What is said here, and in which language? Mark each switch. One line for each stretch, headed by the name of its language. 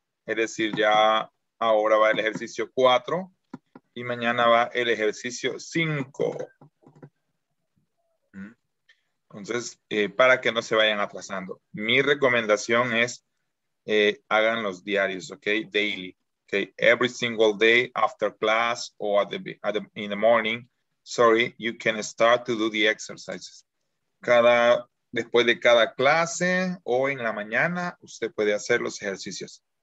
Spanish: Es decir, ya ahora va el ejercicio 4 y mañana va el ejercicio 5. Entonces, para que no se vayan atrasando, mi recomendación es hagan los diarios, ¿ok?
English: Daily, ¿ok? Every single day after class or in the morning, you can start to do the exercises.
Spanish: Después de cada clase o en la mañana, usted puede hacer los ejercicios.